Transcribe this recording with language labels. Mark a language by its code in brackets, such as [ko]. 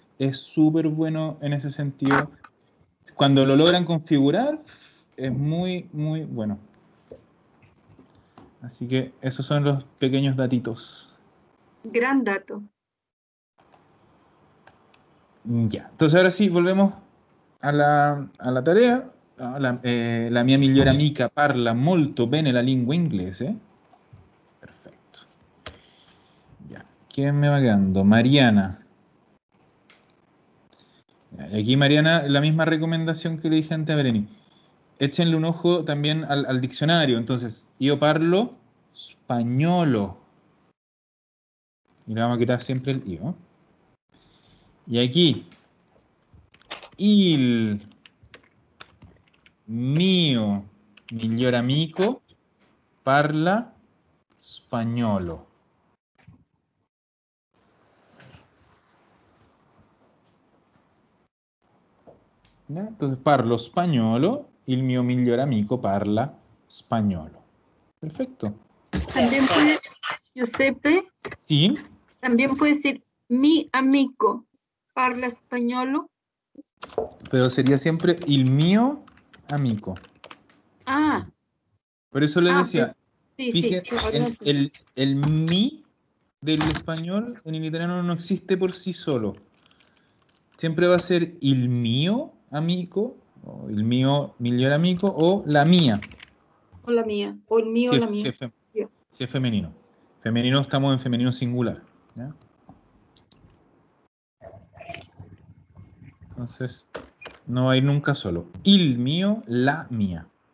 [es] Es súper bueno en ese sentido. Cuando lo logran configurar, es muy, muy bueno. Así que esos son los pequeños datitos. Gran dato. Ya, entonces ahora sí, volvemos a la tarea. [it] La mia migliore amica parla molto bene la lingua inglese. [es] Perfecto. Ya, ¿quién me va quedando? Mariana. Y aquí Mariana, la misma recomendación que le dije antes a Bereni. Échenle un ojo también al diccionario. Entonces, yo [it] parlo españolo. [es] Y le vamos a quitar siempre el io. [it] Y aquí, il mio miglior amico parla spagnolo. Entonces, parlo spagnolo, il mio miglior amico parla spagnolo. [es] Perfecto. También puede, Giuseppe, ¿sí? También puede decir mi amico. [it] Parla españolo. [es] Pero sería siempre [it] il mio amico. Ah. [es] Por eso le decía. Okay. Sí, fíjense, sí, el mi del español en el italiano no existe por sí solo. Siempre va a ser [it] il mio amico, [es] o [it] il mio miglior amico, [es] o la mía. O la mía, o el mío, si o es, la mía. Si es femenino. Femenino, estamos en femenino singular. ¿Ya? Entonces, no va a ir nunca solo. [it] Il mio, la mia.